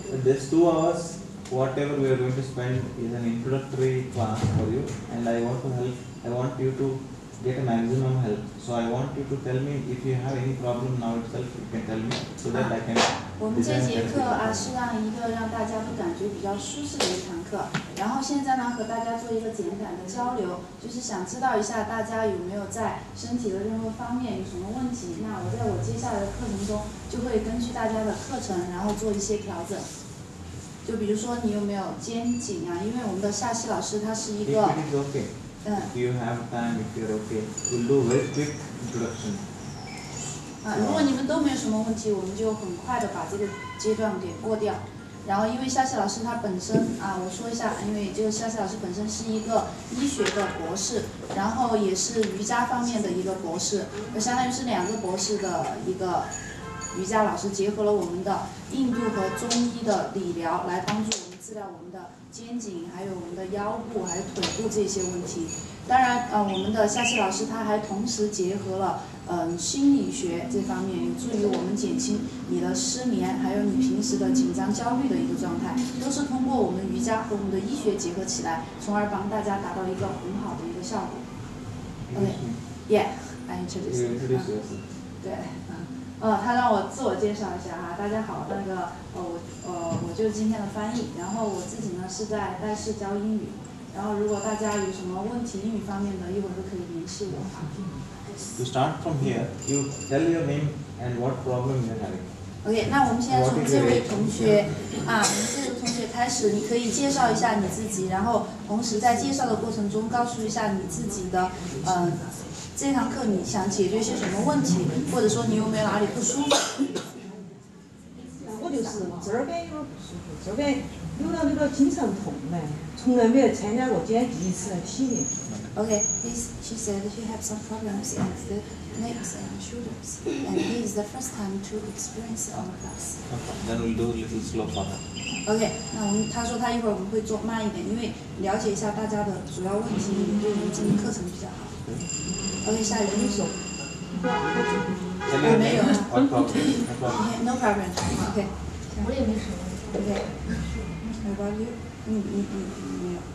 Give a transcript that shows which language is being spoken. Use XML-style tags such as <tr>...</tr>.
<en>In this 2 hours, whatever we are going to spend is an introductory class for you, and I want to help. I want you to get a maximum help. So I want you to tell me if you have any problem now itself. You can tell me so that I can.</en> <zh>我们这节课啊是让大家都感觉比较舒适的一堂课，然后现在呢和大家做一个简短的交流，就是想知道一下大家有没有在身体的任何方面有什么问题，那我在我接下来的课程中就会根据大家的课程然后做一些调整。就比如说你有没有肩颈啊，因为我们的夏希老师他是一个</zh> <en>If you have time, if you're okay, we'll do a very quick introduction.</en> <zh>如果你们都没有什么问题，我们就很快的把这个阶段给过掉。然后因为夏夏老师他本身啊，我说一下，因为这个夏夏老师本身是一个医学的博士，然后也是瑜伽方面的一个博士，相当于是两个博士的一个瑜伽老师，结合了我们的印度和中医的理疗来帮助我们治疗我们的肩颈，还有我们的腰部还有腿部这些问题。当然我们的夏希老师他还同时结合了心理学这方面，有助于我们减轻你的失眠，还有你平时的紧张焦虑的一个状态，都是通过我们瑜伽和我们的医学结合起来，从而帮大家达到一个很好的一个效果。</zh> <en>OK, Yeah, I introduce yourself.</en> <zh>对，他让我自我介绍一下哈，大家好，那个我就是今天的翻译，然后我自己呢是在戴氏教英语，然后如果大家有什么问题英语方面的，一会儿都可以联系我。</zh> <en>To start from here, you tell your name and what problem you're having.</en> <zh>OK, 那我们现在从这位同学啊，从这位同学开始，你可以介绍一下你自己，然后同时在介绍的过程中告诉一下你自己的这堂课你想解决些什么问题，或者说你有没有哪里不舒服。我就是这儿边有不舒服，这儿边有了那个经常痛呢，从来没有参加过，今天第一次来体验。</zh> <en>OK, she said he has some problems in the legs and shoulders, and he is the first time to experience all of us. Then we'll do a little slow for that.</en> <zh>OK, 那我们他说他一会儿我们会做慢一点，因为了解一下大家的主要问题，对我们进行课程比较好。 OK, 下一个右手。我没有。</zh> <en>OK, no problem. OK,</en> <zh>我也没什么。</zh> <en>OK, how about you?</en> <zh>你没有。</zh>